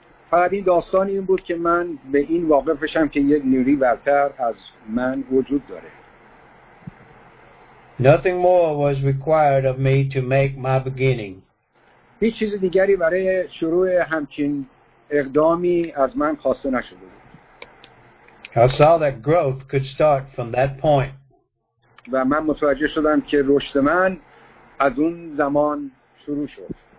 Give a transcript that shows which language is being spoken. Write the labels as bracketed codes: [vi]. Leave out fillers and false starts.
[fa] فقط این داستان این بود که من به این واقف بشم که یک نیروی برتر از من وجود داره. [en] Nothing more was required of me to make my beginning. [fa] هیچ چیز دیگری برای شروع همچین اقدامی از من خواسته نشده بود. [en] I saw that growth could start from that point. [fa] و من متوجه شدم که رشد من از اون زمان شروع شد.